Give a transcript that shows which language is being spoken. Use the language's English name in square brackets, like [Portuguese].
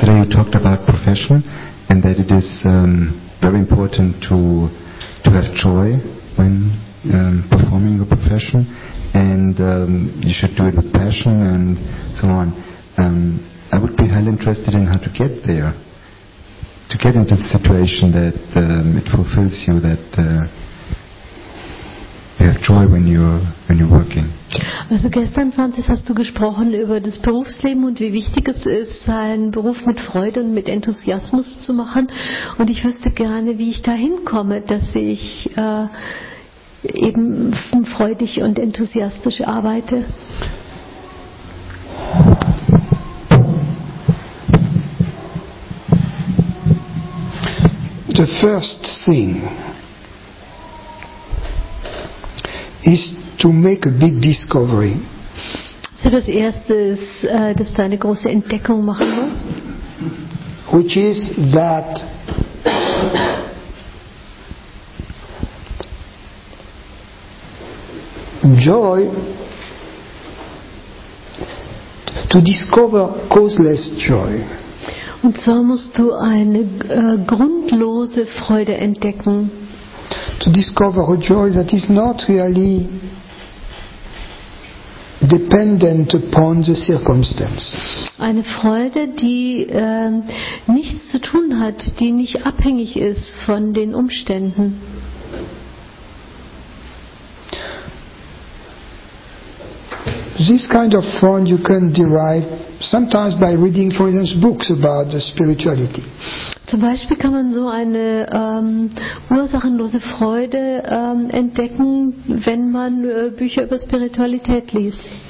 [English] talked about profession, and that it is very important to have joy when performing a profession, and you should do it with passion and so on. I would be highly interested in how to get there, to get into the situation that it fulfills you, that you have joy when you're working. [German] Also gestern, Francis, hast du gesprochen über das Berufsleben und wie wichtig es ist, seinen Beruf mit Freude und mit Enthusiasmus zu machen. Und ich wüsste gerne, wie ich dahin komme, dass ich eben freudig und enthusiastisch arbeite. [English] The first thing is to make a big discovery. [German] So das erste ist, dass du eine große Entdeckung machen musst. [English] Which is that joy, to discover causeless joy. [German] Und zwar musst du eine grundlose Freude entdecken. [English] To discover a joy that is not really dependent upon the circumstances. [German] Eine Freude, die nichts zu tun hat, die nicht abhängig ist von den Umständen. [English] This kind of fun you can derive sometimes by reading, for instance, books about the spirituality. [German] Zum Beispiel kann man so eine ursachenlose Freude entdecken, wenn man Bücher über Spiritualität liest.